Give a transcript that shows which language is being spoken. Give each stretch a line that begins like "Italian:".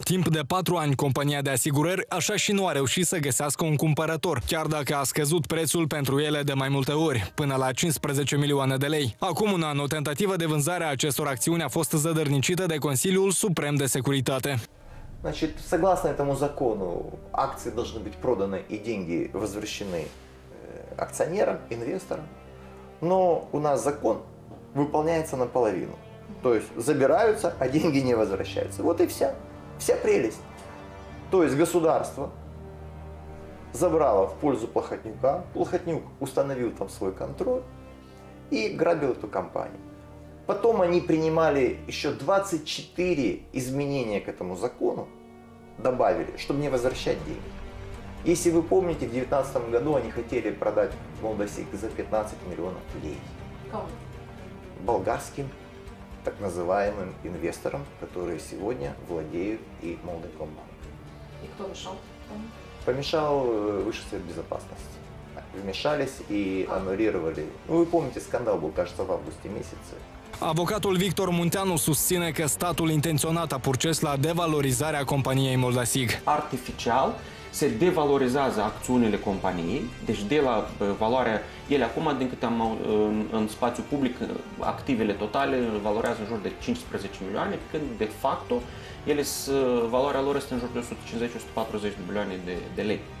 Romanian: Timp de 4 ani, compania de asigurări așa și nu a reușit să găsească un cumpărător, chiar dacă a scăzut prețul pentru ele de mai multe ori, până la 15 milioane de lei. Acum un an, o tentativă de vânzare a acestor acțiuni a fost zădărnicită de Consiliul Suprem de Securitate.
Russian: Согласно этому закону, акции должны быть проданы и деньги возвращены акционерам, инвесторам. Но у нас закон выполняется наполовину. То есть забираются, а деньги не возвращаются. Вот и вся. Вся прелесть. То есть государство забрало в пользу Плохотнюка. Плохотнюк установил там свой контроль и грабил эту компанию. Потом они принимали еще 24 изменения к этому закону, добавили, чтобы не возвращать деньги. Если вы помните, в 2019 году они хотели продать Молдосик за 15 миллионов лей. Кому? Болгарским так называемым инвесторам, которые сегодня владеют и Молдекомбанком. И кто мешал? Помешал Высший совет безопасности. Вмешались и аннулировали. Ну, вы помните, скандал был, кажется, в августе месяце.
Romanian: Avocatul Victor Munteanu susține că statul intenționat a purces la devalorizarea companiei Moldasig. Artificial se devalorizează acțiunile companiei, deci de la valoarea, ele acum, din câte am în spațiu public, activele totale valorează în jur de 15 milioane, când de facto ele, valoarea lor este în jur de 150-140 de milioane de lei.